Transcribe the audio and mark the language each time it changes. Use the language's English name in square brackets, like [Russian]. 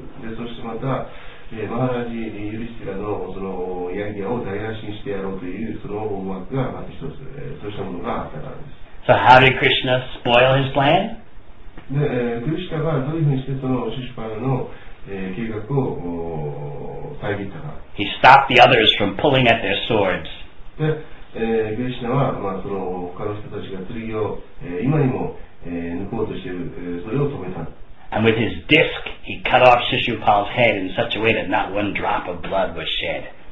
[Japanese] で、そしてまた、マハラジ・ユディスラのそのヤギアを台無しにしてやろうというその思惑がまた一つ、そうしたものがあったからです。 [English] So how did Krishna spoil his plan? [Japanese] で、クリシナがどういうふうにしてそのシュシュパラの、計画を遮ったか。 [English] He stopped the others from pulling at their swords. [Japanese] で、クリシナは、その他の人たちが剣を、今にも、抜こうとしている、それを止めた。 [English] And with his disc, he cut off Shishupala's head in such a way that not one drop of blood was shed.